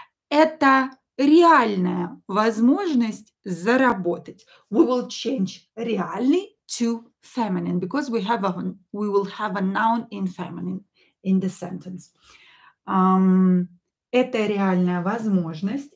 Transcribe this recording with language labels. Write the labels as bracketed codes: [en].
[ru] Это реальная возможность заработать. [en] We will change реальный to feminine because we have a, we will have a noun in feminine in the sentence. [ru] Это реальная возможность.